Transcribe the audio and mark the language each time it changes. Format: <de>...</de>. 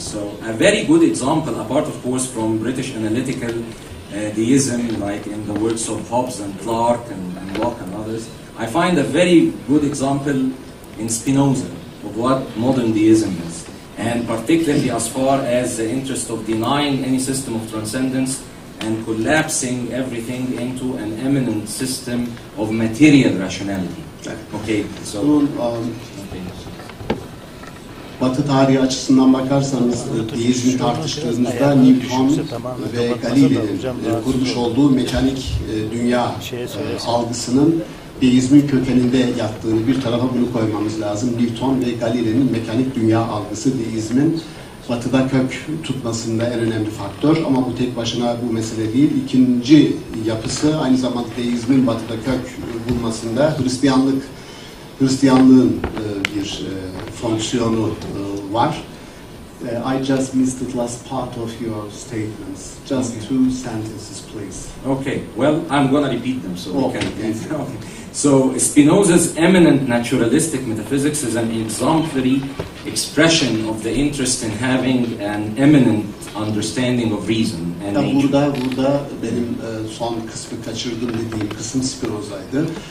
<en>So a very good example, apart of course from British analytical deism, like in the works of Hobbes and Clark and Locke and others, I find a very good example in Spinoza of what modern deism is. And particularly as far as the interest of denying any system of transcendence and collapsing everything into an immanent system of material rationality. Okay, so...</en> <tr>Batı tarihi açısından bakarsanız, deizmi tartıştığımızda Newton ve Galileo'nun kurmuş olduğu mekanik dünya algısının deizmin kökeninde yattığını bir tarafa bunu koymamız lazım. Newton ve Galileo'nun mekanik dünya algısı deizmin batıda kök tutmasında en önemli faktör. Ama bu tek başına bu mesele değil. İkinci yapısı aynı zamanda deizmin batıda kök bulmasında Hristiyanlığın bir fonksiyonu var.</tr> <en>I just missed the last part of your statements. Just two sentences, please. Okay, well, I'm gonna repeat them so we can... Okay. So Spinoza's eminent naturalistic metaphysics is an exemplary expression of the interest in having an eminent understanding of reason and nature.</en> <tr>Burada benim son kısmı kaçırdım dediğim kısım Spinoza'ydı.</tr>